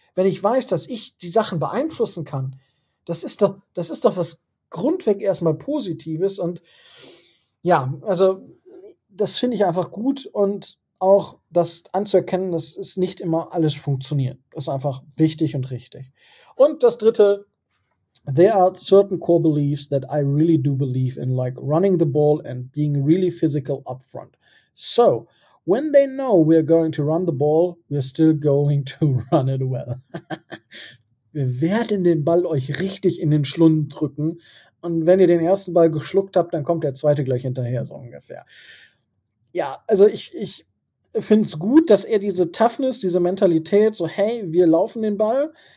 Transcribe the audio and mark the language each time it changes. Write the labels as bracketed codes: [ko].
[de] Wenn ich weiß, dass ich die Sachen beeinflussen kann, das ist doch was grundweg erstmal Positives. Und ja, also das finde ich einfach gut und auch das anzuerkennen, dass es nicht immer alles funktioniert. Das ist einfach wichtig und richtig. Und das dritte: [en] There are certain core beliefs that I really do believe in, like running the ball and being really physical up front. So, when they know we're going to run the ball, we're still going to run it well. [de] Wir werden den Ball euch richtig in den Schlund drücken. Und wenn ihr den ersten Ball geschluckt habt, dann kommt der zweite gleich hinterher, so ungefähr. Ja, also ich finde es gut, dass er diese Toughness, diese Mentalität, so hey, wir laufen den Ball.